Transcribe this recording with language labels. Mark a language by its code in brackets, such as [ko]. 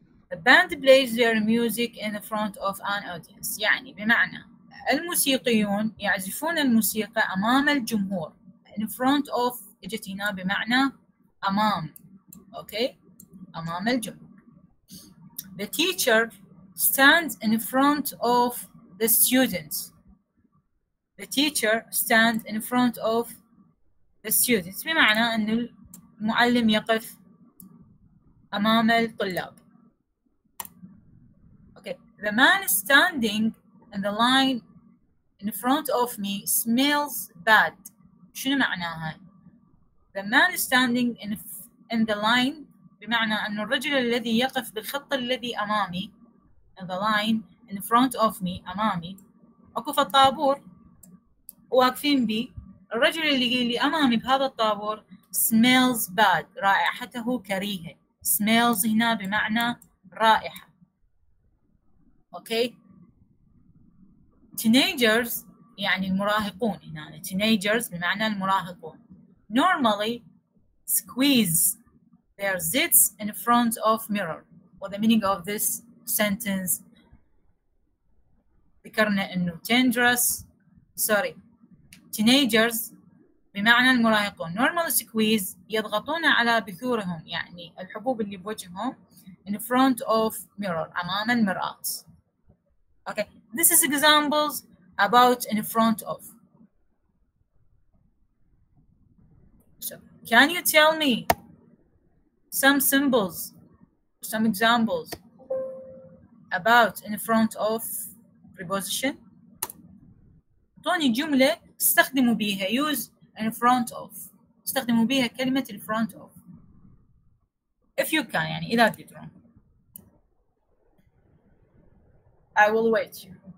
[en] The band plays their music in front of an audience. [ar] يعني بمعنى الموسيقيون يعزفون الموسيقى أمام الجمهور. In front of اجتنا بمعنى أمام. Okay? أمام الجمهور. [en] The teacher stands in front of the students. The teacher stands in front of the students. [ar] بمعنى أن المعلم يقف أمام الطلاب. [en] The man standing in the line in front of me smells bad. [ar] شنو معناها؟ [en] The man standing in the line [ar] بمعنى أن الرجل الذي يقف بالخط الذي أمامي [en] in the line in front of me [ar] أمامي أكو في الطابور واقفين بي الرجل اللي أمامي بهذا الطابور [en] smells bad [ar] رائحته كريهة smells هنا بمعنى رائحة. [en] Okay. [ar] Teenagers يعني المراهقون هنا. Teenagers بمعنى المراهقون. [en] Normally squeeze their zits in front of mirror. What the meaning of this sentence? [ar] ذكرنا إنه dangerous. [en] Sorry. [ar] Teenagers بمعنى المراهقون. Normally squeeze يضغطون على بثورهم يعني الحبوب اللي بوجههم [en] in front of mirror [ar] أمام المرآة. [en] Okay, this is examples about in front of. So, can you tell me some symbols, some examples about in front of preposition? [ar] طوني جملة استخدموا بيها, [en] use in front of. [ar] استخدموا بيها كلمة in front of. [en] If you can, [ar] يعني إذا تقدرون. [en] I will wait you.